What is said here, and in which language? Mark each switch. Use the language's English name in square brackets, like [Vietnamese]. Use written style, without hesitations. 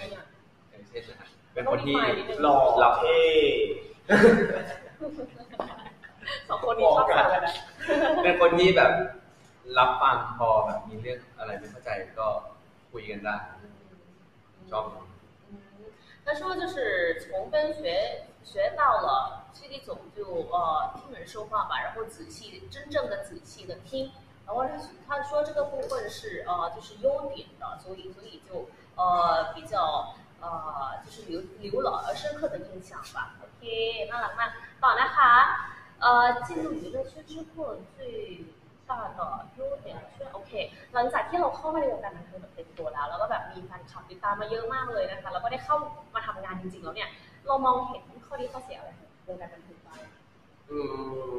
[Thai] อย่างเช่นนะครับเป็นคนที่หล่อหล่อเท่สองคนนี้ชอบกัน เป็นคนที่แบบรับฟังพอแบบมีเรื่องอะไรไม่เข้าใจก็คุยกันได้ชอบ [Chinese] 他说就是从跟学到了是一种就听人说话吧，然后仔细真正的仔细的听，然后他说这个部分是就是优点的，所以就比较就是留了深刻的印象吧。 OK， 那咱们好了哈，进入娱乐圈之后最大的优点是 OK， [Thai] หลังจากที่เราเข้ามาในวงการบันเทิงแบบเต็มตัวแล้วแล้วก็แบบมีแฟนคลับติดตามมาเยอะมากเลยนะคะแล้วก็ได้เข้ามาทำงานจริงๆแล้วเนี่ยเรามองเห็นข้อดีข้อเสียอะไรของวงการบันเทิงบ้าง